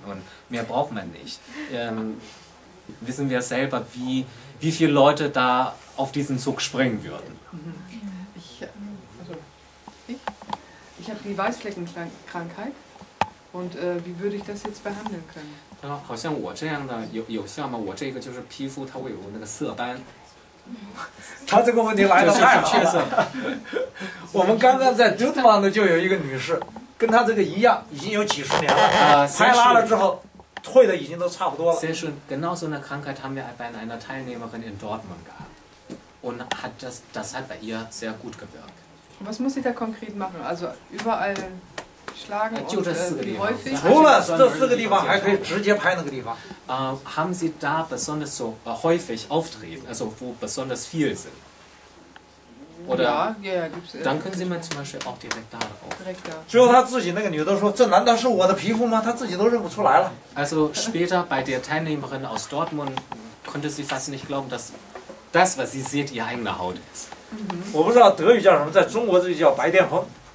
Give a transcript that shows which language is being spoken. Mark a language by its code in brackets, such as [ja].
[de] Und mehr braucht man nicht. Wissen wir selber, wie viele Leute da auf diesen Zug springen würden. Ich habe die Weißfleckenkrankheit und wie würde ich das jetzt behandeln können? [zh] Ja, 好像我这样的有效吗？我这个就是皮肤它会有那个色斑。他这个问题来得太好了。缺色。我们刚刚在 Dortmund 就有一个女士，跟她这个一样，已经有几十年了。拍拉了之后，退的已经都差不多了。 [de] 先生 ，genau so eine Krankheit haben wir bei einer Teilnehmerin in Dortmund gehabt und hat das hat bei ihr sehr gut gewirkt. Was muss ich da konkret machen? Also überall schlagen und häufig? [zh] 除了这四个地方，还可以直接拍那个地方。 [de] Haben Sie da besonders so häufig auftreten? Also wo besonders viel sind? Oder? Ja, gibt's. Dann können Sie mal zum Beispiel auch direkt da drauf. Direkt da. [zh] 最后他自己那个女的说：“这难道是我的皮肤吗？” 他自己都认不出来了。 [de] Also später bei der Teilnehmerin aus Dortmund konnte sie fast nicht glauben, dass das, was sie sieht, ihre eigene Haut ist. [zh] 我不知道德语叫什么，在中国这就叫白癜风。